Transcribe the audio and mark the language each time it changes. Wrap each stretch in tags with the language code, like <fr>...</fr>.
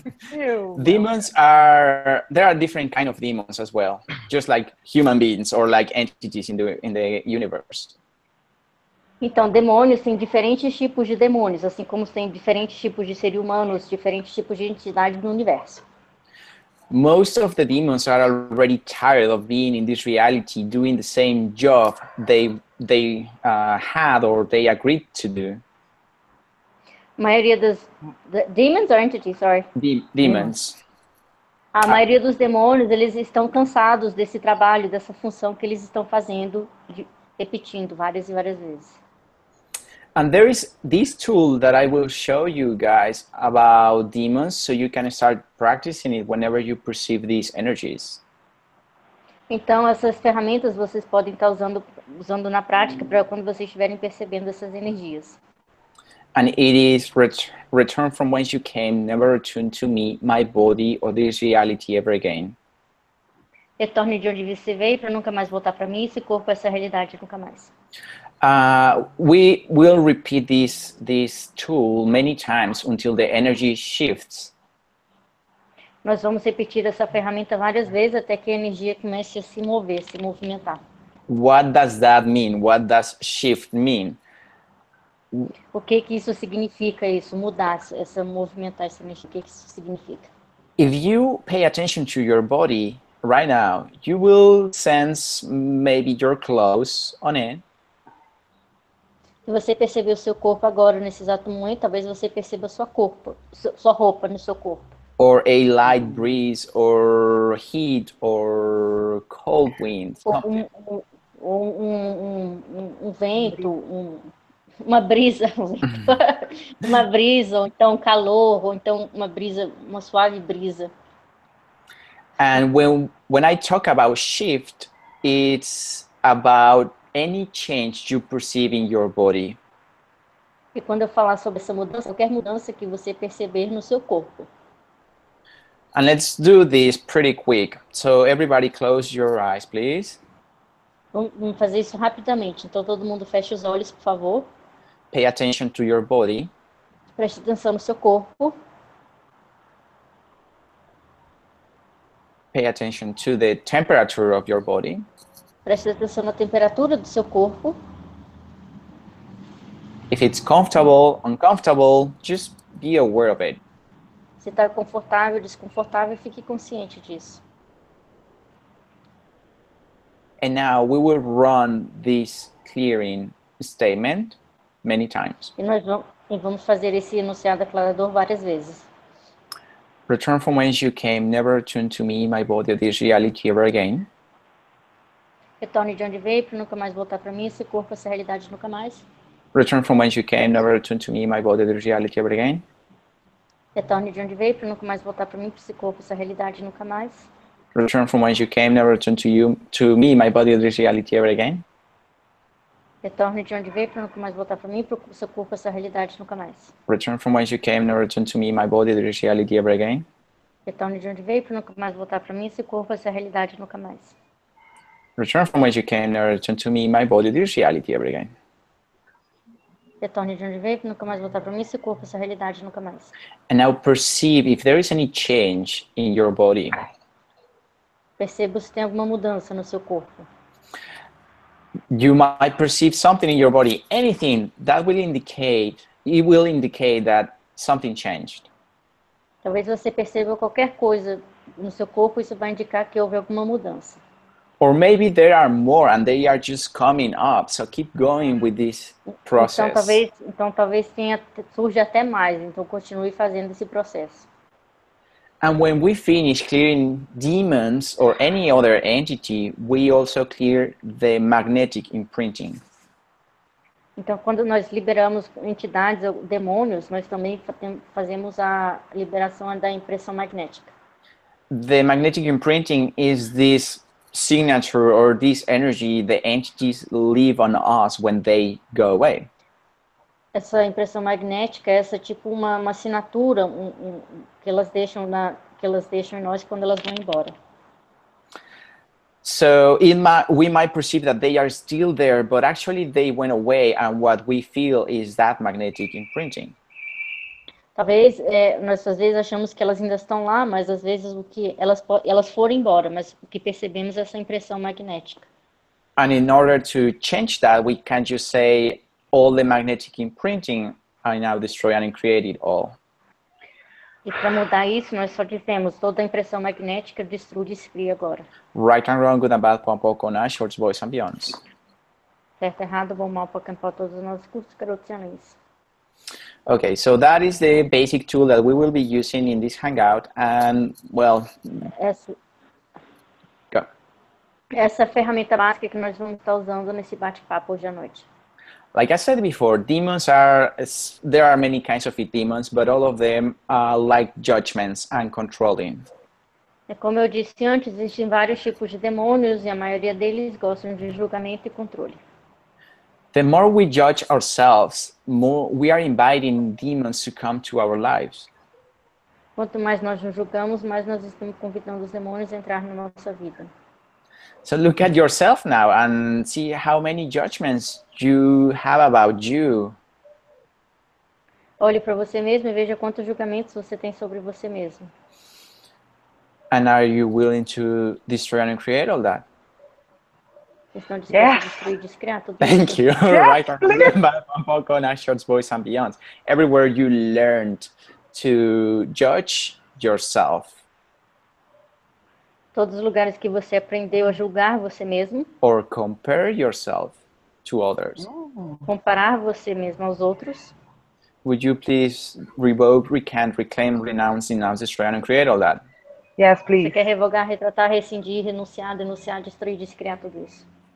<en>Demons are, there are different kind of demons as well, just like human beings or like entities in the universe.</en> <pt>Então, demônios têm diferentes tipos de demônios, assim como tem diferentes tipos de seres humanos, diferentes tipos de entidades no universo.</pt> <en>Most of the demons are already tired of being in this reality doing the same job they had or they agreed to do.</en> <pt>maioria dos</pt> <en>demons or entities, sorry. Demons.</en> <pt>A maioria dos demônios, eles estão cansados desse trabalho, dessa função que eles estão fazendo, repetindo várias e várias vezes.</pt> <en>And there is this tool that I will show you guys about demons, so you can start practicing it whenever you perceive these energies.</en> <pt>Então, essas ferramentas vocês podem estar usando na prática para quando vocês estiverem percebendo essas energias.</pt> <en>And it is return from whence you came, never return to me, my body, or this reality ever again.</en> <pt>Retorne de onde você veio para nunca mais voltar para mim, esse corpo, essa realidade, nunca mais.</pt> <en>We will repeat this tool many times until the energy shifts.</en> <pt>Nós vamos repetir essa ferramenta várias vezes até que a energia comece a se mover, se movimentar.</pt> <en>What does that mean? What does shift mean?</en> <pt>O que que isso significa, isso, mudar, essa movimentar essa energia, o que que isso significa?</pt> <en>If you pay attention to your body right now, you will sense maybe your clothes on it.</en> <pt>Se você perceber o seu corpo agora, nesse exato momento, talvez você perceba sua corpo, sua roupa no seu corpo.</pt> <en>Or a light breeze, or heat, or cold wind.</en> <pt>Um vento, uma brisa, ou então calor, ou então uma brisa, uma suave brisa.</pt> <en>And when I talk about shift, it's about any change you perceive in your body.</en> <pt>E quando eu falar sobre essa mudança, qualquer mudança que você perceber no seu corpo.</pt> <en>And let's do this pretty quick. So everybody close your eyes, please.</en> <pt>Vamos fazer isso rapidamente. Então todo mundo fecha os olhos, por favor.</pt> <en>Pay attention to your body.</en> <pt>Preste atenção no seu corpo.</pt> <en>Pay attention to the temperature of your body.</en> <pt>Preste atenção na temperatura do seu corpo.</pt> <en>If it's comfortable, uncomfortable, just be aware of it.</en> <pt>Se está confortável, desconfortável, fique consciente disso.</pt> <en>And now we will run this clearing statement many times.</en> <pt>E nós vamos fazer esse enunciado aclarador várias vezes.</pt> <en>Return from whence you came, never return to me, my body, or this reality ever again.</en> <pt>Retorne de onde veio, para nunca mais voltar para mim, esse corpo, essa realidade, nunca mais.</pt> <en>Return from whence you came, never return to me, my body, or this reality ever again.</en> <pt>Retorne de onde veio, para nunca mais voltar para mim, esse corpo, essa realidade, nunca mais.</pt> <en>Return from whence you came, never return to you, to me, my body, or this reality ever again.</en> <pt>Retorne de onde veio, para nunca mais voltar para mim, para o seu corpo, essa realidade, nunca mais.</pt> <en>Return from whence you came, never return to me, my body, the reality ever again.</en> <pt>Retorne de onde veio, para nunca mais voltar para mim, esse corpo, essa realidade, nunca mais.</pt> <en>Return from whence you came, never return to me, my body, the reality ever again.</en> <pt>Retorne de onde veio, para nunca mais voltar para mim, esse corpo, essa realidade, nunca mais.</pt> <en>And now perceive if there is any change in your body.</en> <pt>Perceba se tem alguma mudança no seu corpo.</pt> <en>You might perceive something in your body, anything that will indicate, it will indicate that something changed.</en> <pt>Talvez você perceba qualquer coisa no seu corpo, isso vai indicar que houve alguma mudança.</pt> <en>Or maybe there are more and they are just coming up, so keep going with this process.</en> <pt>Então talvez surja até mais, então continue fazendo esse processo.</pt> <en>And when we finish clearing demons or any other entity, we also clear the magnetic imprinting.</en> <pt>Então, quando nós liberamos entidades ou demônios, nós também fazemos a liberação da impressão magnética.</pt> <en>The magnetic imprinting is this signature or this energy the entities leave on us when they go away.</en> <pt>Essa impressão magnética, essa tipo uma assinatura que elas deixam na que elas deixam em nós quando elas vão embora.</pt> <en>So we might perceive that they are still there, but actually they went away, and what we feel is that magnetic imprinting.</en> <pt>Talvez nós às vezes achamos que elas ainda estão lá, mas às vezes o que elas foram embora, mas o que percebemos é essa impressão magnética.</pt> <en>And in order to change that, we can't just say all the magnetic imprinting I now destroy and create it all.</en> <pt>E para mudar isso, nós só dizemos toda a impressão magnética destrui e se cria agora.</pt> <en>Right and wrong, good and bad, pom pom coná, shorts, boys and beyonds.</en> <pt>Certo, errado, bom, mal, pom pom, todos os nossos cursos, garotos e anões.</pt> <en>Okay, so that is the basic tool that we will be using in this Hangout, and well,</en> <pt>essa ferramenta básica que nós vamos estar usando nesse bate-papo hoje à noite.</pt> <en>Like I said before, demons are, there are many kinds of demons, but all of them are like judgments and controlling.</en> <pt>É como eu disse antes, existem vários tipos de demônios e a maioria deles gostam de julgamento e controle.</pt> <en>The more we judge ourselves, more we are inviting demons to come to our lives.</en> <pt>Quanto mais nós nos julgamos, mais nós estamos convidando os demônios a entrar na nossa vida.</pt> <en>So look at yourself now and see how many judgments you have about you.</en> <pt>Olhe para você mesmo e veja quantos julgamentos você tem sobre você mesmo.</pt> <en>And are you willing to destroy and create all that? Yes. Thank you. Right. I'm on Asher's voice and beyond. Everywhere you learned to judge yourself.</en> <pt>Todos os lugares que você aprendeu a julgar você mesmo.</pt> <en>Or compare yourself to others.</en> <pt>Comparar você mesmo aos outros.</pt> <en>Would you please revoke, recant, reclaim, renounce, denounce, destroy and create all that? Yes, please.</en> <pt>Você quer revogar, retratar, rescindir, renunciar, denunciar, destruir, descriar tudo isso.</pt>